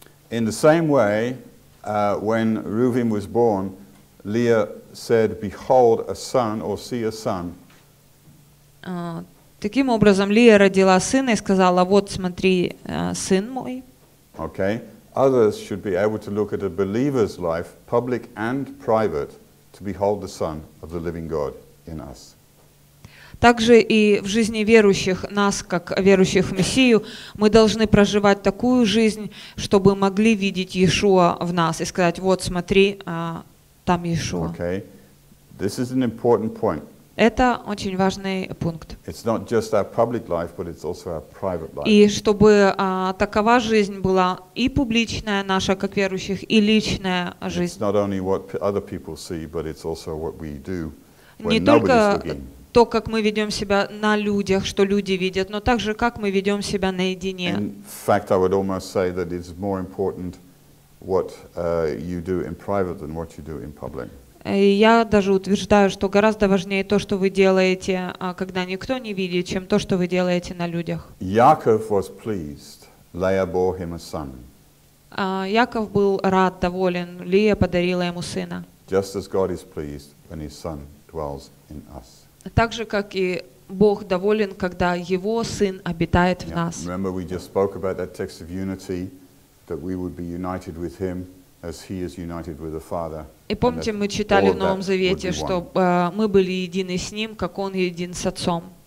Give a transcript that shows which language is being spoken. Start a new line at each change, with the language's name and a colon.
English: In the same way, when Reuven was born, Leah said, "Behold, a son, or see a son."
Russian: Таким образом, Лия родила сына и сказала, вот смотри, сын мой.
English: Okay. Others should be able to look at a believer's life, public and private, to behold the Son of the living God in us.
Russian: Также и в жизни верующих, нас, как верующих в Мессию, мы должны проживать такую жизнь, чтобы могли видеть Иешуа в нас и сказать, вот смотри, там Иешуа.
English: Okay. This is an important point.
Russian: Это очень важный пункт.
English: It's not just our public life, but it's also our private life.
Russian: И чтобы такова жизнь была и публичная наша, как верующих, и личная жизнь.
English: It's not only what other people see, but it's also what we do when nobody's looking.
Russian: Не только то, как мы ведем себя на людях, что люди видят, но также как мы ведем себя наедине.
English: In fact, I would almost say that it's more important what you do in private than what you do in public.
Russian: Я даже утверждаю, что гораздо важнее то, что вы делаете, когда никто не видит, чем то, что вы делаете на людях.
English: Яков was pleased. Leah bore him a son.
Russian: Яков был рад, доволен. Лия подарила ему сына.
English: Just as God is pleased when His Son dwells in us.
Russian: Так же, как и Бог доволен, когда Его Сын обитает в нас.
English: Remember, we just spoke about that text of unity, that we would be united with Him as He is united with the Father.
Russian: И помните, мы читали в Новом Завете, что мы были едины с Ним, как Он един с Отцом.